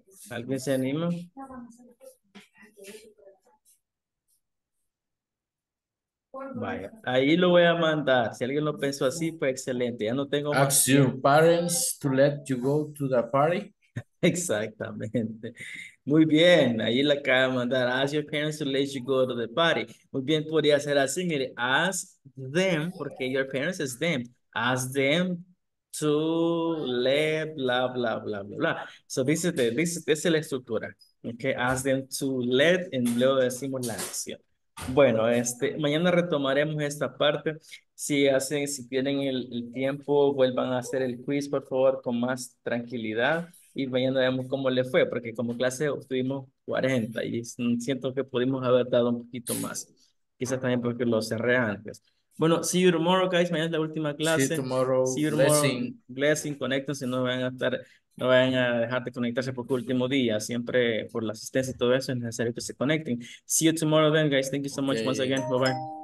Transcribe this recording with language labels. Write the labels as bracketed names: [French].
[Spanish] ¿Alguien se anima? Vaya, ahí lo voy a mandar. Si alguien lo pensó así, pues excelente. Ya no tengo más. [English] Ask your parents to let you go to the party. [Spanish] Exactamente. Muy bien, ahí la acaba de mandar. [English] Ask your parents to let you go to the party. [Spanish] Muy bien, podría ser así. Mire, [English] ask them, [Spanish] porque [English] your parents is them. Ask them to let blah blah blah blah blah. So this is [Spanish] la estructura. [English] Okay, ask them to let and [Spanish] luego decimos la acción. Bueno, mañana retomaremos esta parte. Si tienen el tiempo, vuelvan a hacer el quiz, por favor, con más tranquilidad. Y mañana vemos cómo le fue, porque como clase tuvimos 40 y siento que pudimos haber dado un poquito más. Quizás también porque lo cerré antes. Bueno, [English] see you tomorrow, guys. [Spanish] Mañana es la última clase. [English] See you tomorrow. See you tomorrow. Blessing. [Spanish] Conéctense. No vayan a dejar de conectarse por el último día. Siempre por la asistencia y todo eso es necesario que se conecten. [English] See you tomorrow then, guys. Thank you so much once again. Bye-bye.